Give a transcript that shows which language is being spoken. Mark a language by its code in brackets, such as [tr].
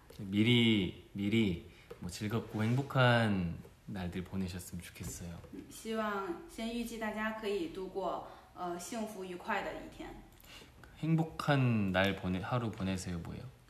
[ko] 미리 뭐 즐겁고 행복한 날들 보내셨으면 좋겠어요. [zh] 希望先预计大家可以度过幸福愉快的一天. [ko] 행복한 날 보내 하루 보내세요 뭐예요?